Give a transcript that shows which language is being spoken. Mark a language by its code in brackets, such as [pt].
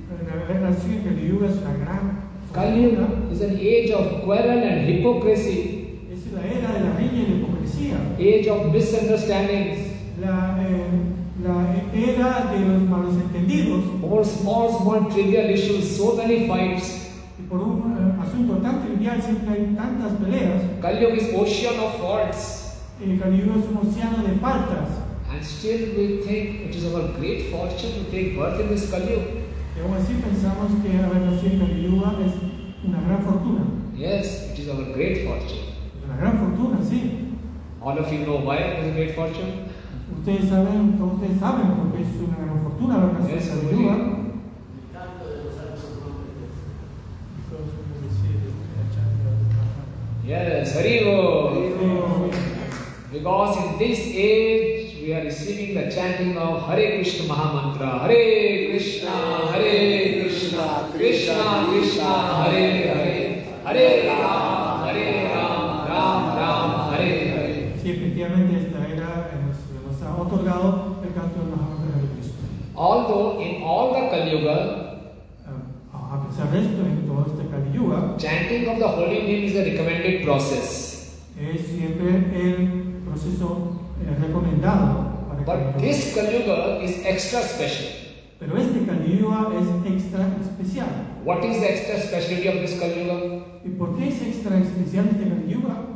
[es] Haber nacido en Kali Yuga es una gran fortuna. [en] Kali Yuga is an age of quarrel and hypocrisy. [es] Es la era de la riña y la hipocresía. [en] Age of misunderstandings. [es] La era de los malos entendidos. [en] Over small trivial issues, so many fights. [es] Por un asunto tan trivial siempre hay tantas peleas. [en] Kali Yuga is ocean of faults. [es] Kali Yuga es un océano de faltas. [en] And still we think it is our great fortune to take birth in this Kali Yuga. [es] Y aún así pensamos que haber nacido en Kali Yuga es una gran fortuna. [en] Yes, it is our great fortune. [es] Es una gran fortuna, sí. [en] All of you know why it is a great fortune. [es] Ustedes saben por qué es una gran fortuna la ocasión. Yes, de Perú. [en] Yes, arigo. Because in this age we are receiving the chanting of Hare Krishna Mahamantra. [sa] Hare Krishna, Hare Krishna, Krishna Krishna, Hare Hare, Hare Rama, Hare Rama, Rama Rama, Hare Hare. [es] Sí, efectivamente esta era nos ha otorgado el canto de Mahamantra de Hare Krishna. [en] Although in all the Kali Yuga, [es] a pesar de esto, en todo este Kali Yuga, [en] chanting of the holy name is a recommended process. [es] Es siempre el proceso recomendado. [en] This Kali Yuga is extra special. [es] Pero este Kali Yuga es extra especial. [en] What is the extra speciality of this Kali Yuga? [es] ¿Y por qué es extra especial este Kali Yuga?